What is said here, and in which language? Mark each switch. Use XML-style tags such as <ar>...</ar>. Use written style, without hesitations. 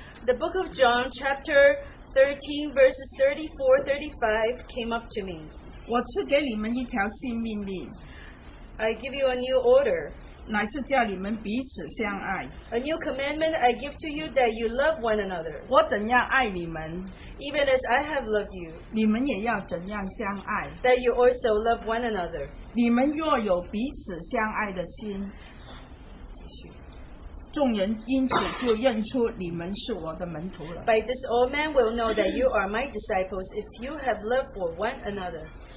<en>the book of John chapter 13 verses 34, 35 came up to me.</en> <zh>我赐给你们一条新命令,</zh> <en>I give you a new order.</en> <zh>乃是叫你们彼此相爱,</zh> <en>a new commandment I give to you that you love one another.</en> <zh>我怎样爱你们,</zh> <en>even as I have loved you.</en> <zh>你们也要怎样相爱,</zh> <en>that you also love one another.</en> <zh>你们若有彼此相爱的心, 众人因此就认出你们是我的门徒了。</zh> <en>By this all men will know that you are my disciples if you have love for one another.</en>